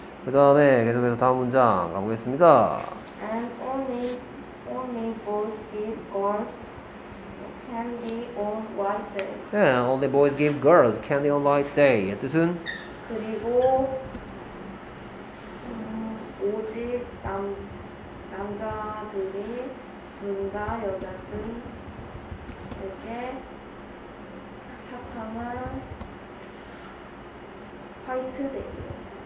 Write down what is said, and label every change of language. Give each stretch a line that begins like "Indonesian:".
Korean: 그 다음에 계속해서 다음 문장 가보겠습니다.
English: And only boys give girls candy on white day. Yeah, only boys give girls candy on white day.
Korean: 이 뜻은? 그리고 오직 남자들이 준다 여자들에게 사탕은 화이트 데이요.